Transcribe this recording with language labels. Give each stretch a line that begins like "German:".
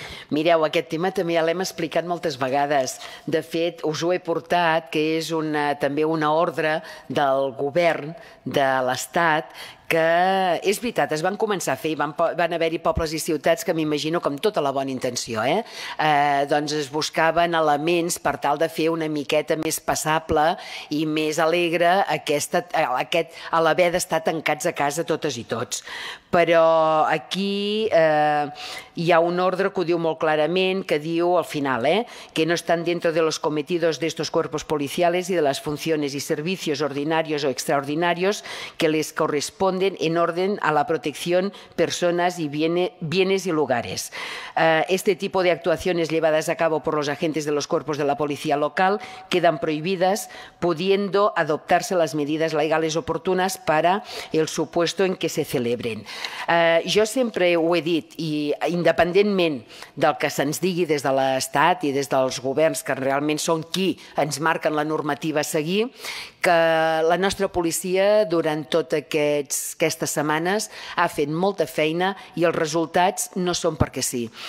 Catalan: Mireu, aquest tema també ja l'hem explicat moltes vegades. De fet, us ho he portat, que és també una ordre del govern de l'Estat, que és veritat, es van començar a fer, i van haver-hi pobles i ciutats que m'imagino que amb tota la bona intenció, doncs es buscaven elements per tal de fer una miqueta més passable i més alegre l'haver d'estar tancats a casa totes i tots. Però aquí hi ha un ordre que ho diu molt clarament, que diu al final, que
Spanish: no están dentro de los cometidos de estos cuerpos policiales y de las funciones y servicios ordinarios o extraordinarios que les corresponde en orden a la protección personas y bienes y lugares. Este tipo de actuaciones llevadas a cabo por los agentes de los cuerpos de la policía local quedan prohibidas, pudiendo adoptarse las medidas legales oportunas para el supuesto en que se celebren.
Catalan: Jo sempre ho he dit, i independentment del que se'ns digui des de l'Estat i des dels governs, que realment són qui ens marquen la normativa a seguir, que la nostra policia durant tot aquestes setmanes ha fet molta feina i els resultats no són perquè sí.